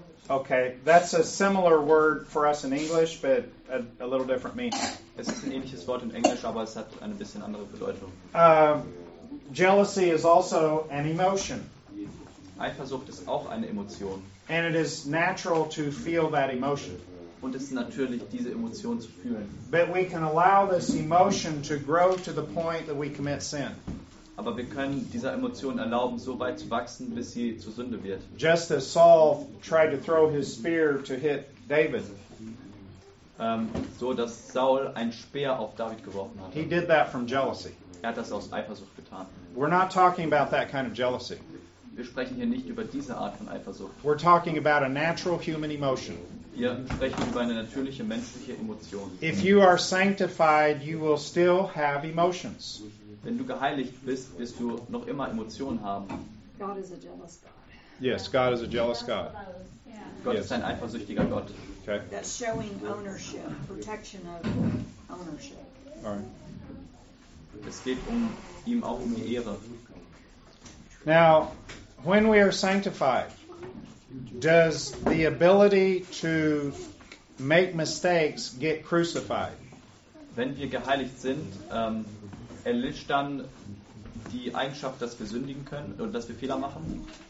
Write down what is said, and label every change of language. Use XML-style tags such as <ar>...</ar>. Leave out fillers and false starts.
<en>Okay, that's a similar word for us in English, but a little different meaning.</en> <de>Es ist ein ähnliches Wort in Englisch, aber es hat eine bisschen andere Bedeutung.</de> <en>Jealousy is also an emotion.</en> <de>Eifersucht ist auch eine Emotion.</de> <en>And it is natural to feel that emotion.</en> <de>Und es ist natürlich, diese Emotion zu fühlen.</de> <en>But we can allow this emotion to grow to the point that we commit sin.</en> <de>Aber wir können dieser Emotion erlauben, so weit zu wachsen, bis sie zur Sünde wird.</de> <en>Just as Saul tried to throw his spear to hit David.</en> <de>So dass Saul ein Speer auf David geworfen hat.</de> <en>He did that from jealousy.</en> <de>Er hat das aus Eifersucht getan.</de> <en>We're not talking about that kind of jealousy.</en> <de>Wir sprechen hier nicht über diese Art von Eifersucht.</de> <en>We're talking about a natural human emotion.</en> <de>Wir sprechen über eine natürliche menschliche Emotion.</de> <en>If you are sanctified, you will still have emotions.</en> <de>Wenn du geheiligt bist, wirst du noch immer Emotionen haben.</de> <en>God is a jealous God. Yes, God is a jealous God.</en> <de>Gott ist ein eifersüchtiger Gott.</de> <en>Okay. That's showing ownership, protection of ownership. All right.</en> <de>Es geht um ihm auch um die Ehre.</de> <en>Now, when we are sanctified, does the ability to make mistakes get crucified?</en> <de>Wenn wir geheiligt sind, erlischt dann die Eigenschaft, dass wir sündigen können und dass wir Fehler machen?</de>